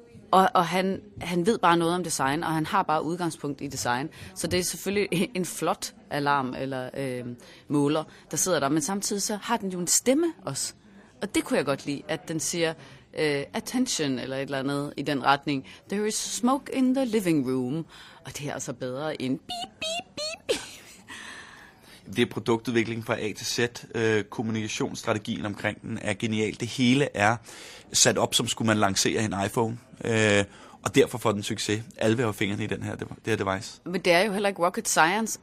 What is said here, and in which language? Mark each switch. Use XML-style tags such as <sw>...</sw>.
<da>Og han ved bare noget om design, og han har bare udgangspunkt i design. Så det er selvfølgelig en flot alarm eller måler, der sidder der. Men samtidig så har den jo en stemme også. Og det kunne jeg godt lide, at den siger, attention, eller et eller andet i den retning.</da> <en>There is smoke in the living room.</en> <da>Og det er altså bedre end beep, beep, beep. Det er produktudvikling fra A til Z. Kommunikationsstrategien omkring den er genial. Det hele er sat op, som skulle man lancere en iPhone. Og derfor får den succes. Alle vil have fingrene i det her device. Men det er jo heller ikke</da> <en>rocket science.</en>